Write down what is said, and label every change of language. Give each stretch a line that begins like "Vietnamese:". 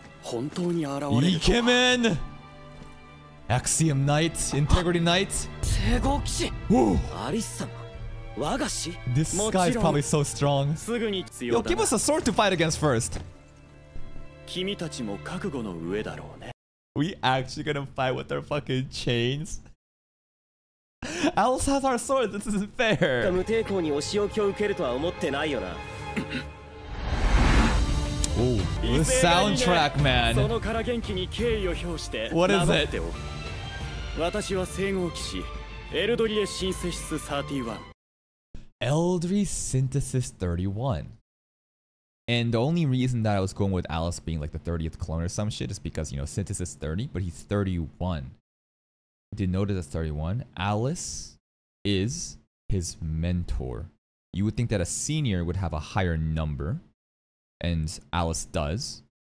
Japanese: 本当に現れるとは。イケメン。アクシアムナイト、インテグリティナイト。聖護騎士。おお。アリス様。我が師。
English: This guy is probably so strong.
Japanese: すぐに必要だ。
English: Yo, give us a sword to fight against first.
Japanese: 君たちも覚悟の上だろうね。
English: We actually gonna fight with our fucking chains? Alice has our sword. This isn't fair.
Japanese: 無抵抗に押し置きを受けるとは思ってないよな。
English: Oh, the soundtrack, man.
Japanese: そのから元気に敬意を表して。
English: What is it?
Japanese: 私は聖護騎士、エルドリエ新生室31。
English: Eldry Synthesis 31. And the only reason that I was going with Alice being like the 30th clone or some shit is because, you know, Synthesis 30, but he's 31. Denoted as 31. Alice is his mentor. You would think that a senior would have a higher number. And Alice does.